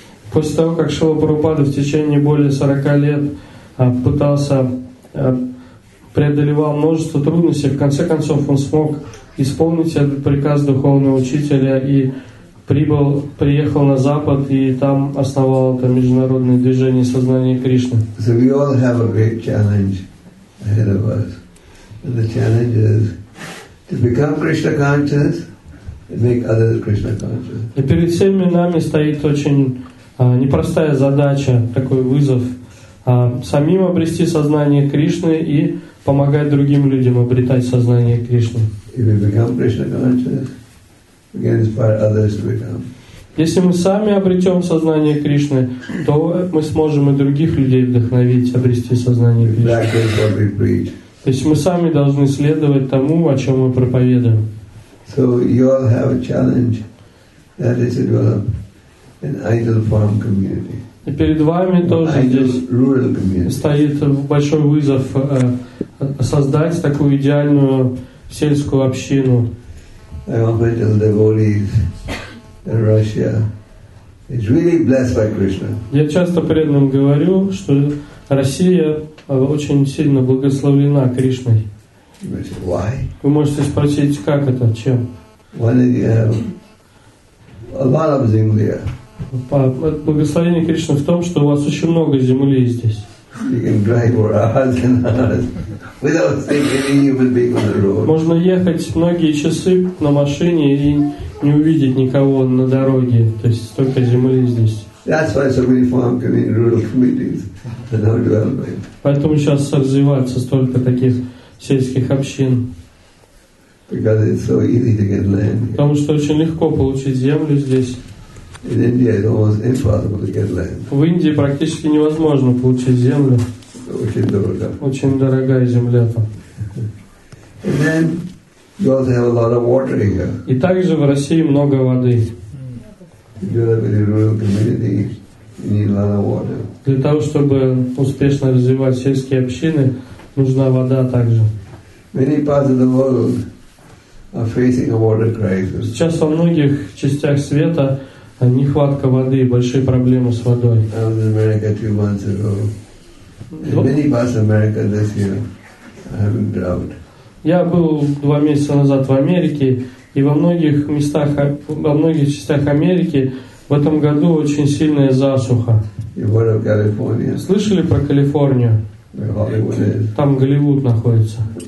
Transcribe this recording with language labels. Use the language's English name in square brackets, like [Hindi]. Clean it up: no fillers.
[Russian] После того, как Шрила Прабхупада в течение более 40 лет пытался преодолевал множество трудностей, в конце концов он смог исполнить этот приказ духовного учителя и приехал на Запад и там основал это международное движение сознания Кришны. [English] So we all have a great challenge ahead of us. And the challenge is to become Krishna conscious and make others Krishna conscious. [Russian] И перед всеми нами стоит очень непростая задача, такой вызов самим обрести сознание Кришны и помогать другим людям обретать сознание Кришны. [English] If we become Krishna conscious, we can inspire others to become. [Russian] Если мы сами обретем сознание Кришны, то мы сможем и других людей вдохновить обрести сознание Кришны. То есть мы сами должны следовать тому, о чем мы проповедуем. [English] So you all have a challenge that is to develop an ideal farm community. [Russian] И перед вами тоже здесь стоит большой вызов создать такую идеальную сельскую общину. [English] I often tell devotees in Russia, it's really blessed by Krishna. [Russian] Я часто преданным говорю, что Россия очень сильно благословлена Кришной. [English] You might say, why? [Russian] Вы можете спросить, как это, чем? [English] Why did you have a lot of [Russian] земли? Благословение Кришны в том, что у вас очень много земли здесь. [English] You can drive for hours and hours without seeing any human being on the road. [Russian] Можно ехать многие часы на машине и не увидеть никого на дороге. То есть столько земли здесь. [English] That's why so many farm communities, rural communities are now developing. [Russian] Поэтому сейчас развивается столько таких сельских общин. [English] Because it's so easy to get land. [Russian] Потому что очень легко получить землю здесь. [English] In India, it's almost impossible to get land. [Russian] В Индии практически невозможно получить землю. Очень дорого. Очень дорогая земля там. [English] And then you also have a lot of water here. [Russian] И также в России много воды. [English] If you have a rural community, you need a lot of water. [Russian] Для того, чтобы успешно развивать сельские общины, нужна вода также. [English] Many parts of the world are facing a water crisis. [Russian] Сейчас во многих частях света нехватка воды, большие проблемы с водой. [English] I was in America 2 months ago. Many parts of America this year are having drought. [Russian] Я был 2 месяца назад в Америке, и во многих частях Америки в этом году очень сильная засуха. [English] You heard of California? [Russian] Слышали про Калифорнию? [English] Where Hollywood is. [Russian] Там Голливуд находится.